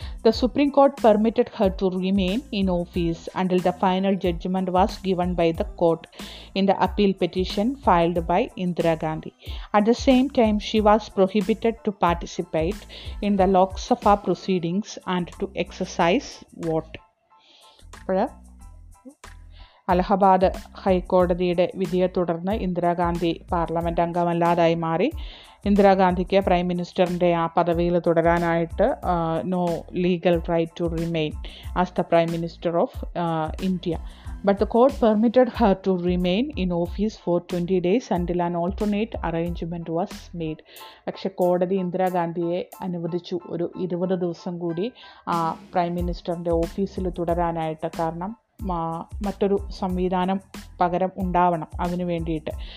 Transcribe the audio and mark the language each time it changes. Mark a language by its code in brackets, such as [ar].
[en] The Supreme Court permitted her to remain in office until the final judgment was given by the court in the appeal petition filed by Indira Gandhi. At the same time, she was prohibited to participate in the Lok Sabha proceedings and to exercise vote. [ml] Allahabad ഹൈക്കോടതിയുടെ വിധിയെ തുടർന്ന് Indira Gandhi parliament അംഗമല്ലാതായി മാറി. ഇന്ദിരാഗാന്ധിക്ക് prime മിനിസ്റ്ററിൻ്റെ ആ പദവിയിൽ തുടരാനായിട്ട് [en] No legal right to remain as the prime minister of India. But the court permitted her to remain in office for 20 days until an alternate arrangement was made. [ml] പക്ഷെ കോടതി ഇന്ദിരാ ഗാന്ധിയെ അനുവദിച്ചു ഒരു 20 ദിവസം കൂടി ആ പ്രൈം മിനിസ്റ്ററിൻ്റെ ഓഫീസിൽ തുടരാനായിട്ട്. കാരണം മറ്റൊരു സംവിധാനം പകരം ഉണ്ടാവണം അതിന് വേണ്ടിയിട്ട്.